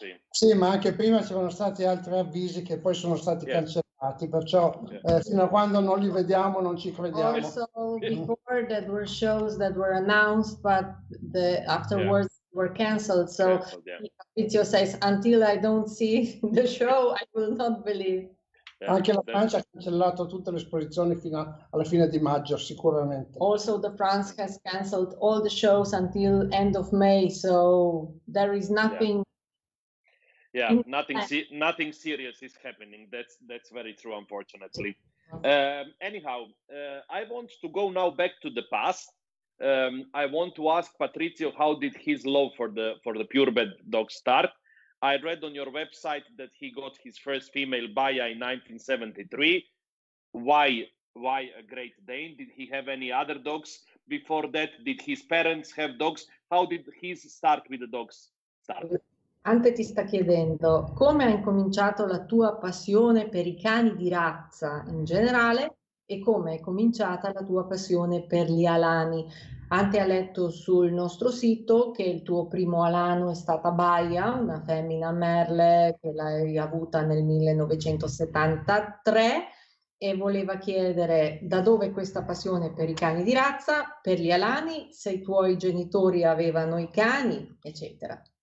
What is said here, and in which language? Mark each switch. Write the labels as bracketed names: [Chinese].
[Italian] Sì, ma anche prima ci sono stati altri avvisi che poi sono stati cancellati, perciò fino a quando non li vediamo non ci crediamo. [English] Also before there were shows that were announced, but the afterwards were cancelled. So Patrizio says, until I don't see the show, I will not believe. [Italian] Yeah, anche la Francia ha cancellato tutte le esposizioni fino alla fine di maggio, sicuramente. [English] Also, the France has cancelled all the shows until end of May. So there is nothing. Yeah, nothing serious is happening. That's very true, unfortunately. Anyhow, I want to go now back to the past. I want to ask Patrizio, how did his love for the purebred dog start? I read on your website that he got his first female Baia in 1973. Why a Great Dane? Did he have any other dogs before that? Did his parents have dogs? How did his start with the dogs start? [Italian] Ante ti sta chiedendo, come ha incominciato la tua passione per i cani di razza in generale? E come è cominciata la tua passione per gli alani? Ante ha letto sul nostro sito che il tuo primo alano è stata Baia, una femmina merle che l'hai avuta nel 1973, e voleva chiedere da dove questa passione per i cani di razza, per gli alani, se i tuoi genitori avevano i cani, eccetera.